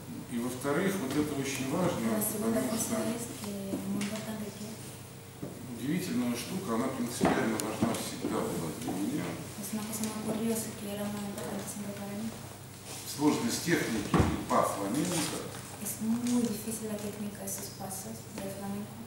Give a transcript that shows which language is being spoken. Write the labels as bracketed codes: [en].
[es] Y [ru] во-вторых, вот это очень важно. [es] La segunda cosa es que muy importante que. [ru] Удивительная штука, она принципиально важна всегда была для меня. [es] Es una cosa muy curiosa que era muy importante siempre para mí. [ru] Сложность техники и па фламенко. [es] Es muy difícil la técnica esos pasos de flamenco.